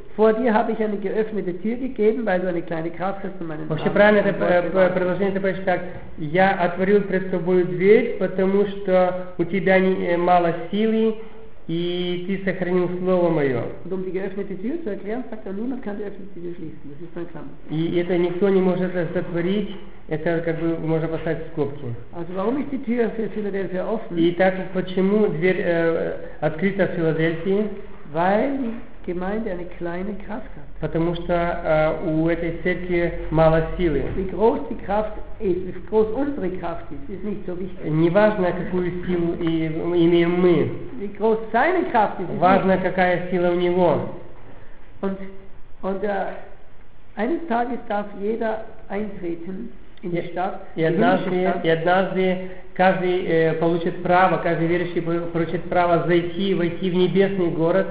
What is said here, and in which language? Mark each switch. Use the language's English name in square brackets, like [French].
[German] Vor dir habe ich eine geöffnete Tür gegeben, weil du eine kleine Kraft hast in meinen Armen. [Russian] Вообще правильно это предложение, это почти так. Я отворил пред собой дверь, потому что у тебя мало силы, и ты сохранил слово мое. [German] Um die geöffnete Tür zu erklären, sagt er, niemand kann die öffnete Tür schließen. Das ist ein Klammer. [Russian] И это никто не может затворить, это как бы можно поставить в скобки. [German] Also warum ist die Tür für Philadelphia offen? [Russian] И так почему дверь открыта в Филадельфии? [German] Weil die Gemeinde eine kleine Kraft hat. [Russian] Потому что у этой церкви мало силы. [German] Wie groß die Kraft ist, wie groß unsere Kraft ist, ist nicht so wichtig. [Russian] Не важно, какую силу имеем мы. [German] Wie groß seine Kraft ist, [Russian] важно, какая сила у него. [German] Und eines Tages darf jeder eintreten in die Stadt. [Russian] И однажды каждый получит право, каждый верующий получит право зайти, войти в небесный город.